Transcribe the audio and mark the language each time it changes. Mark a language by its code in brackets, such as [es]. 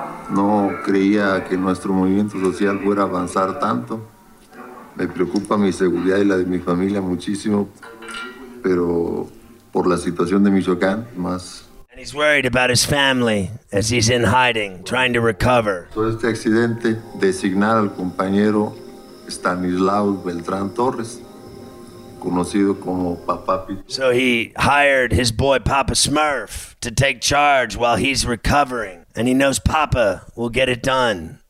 [es] No creía que nuestro movimiento social fuera a avanzar tanto. Me preocupa mi seguridad y la de mi familia muchísimo, pero por la situación de Michoacán, más. [en] And he's worried about his family as he's in hiding, trying to recover. [es] Todo este accidente, designar al compañero Stanislao Beltrán Torres, conocido como Papá Pito. [en] So he hired his boy Papa Smurf to take charge while he's recovering, and he knows Papa will get it done.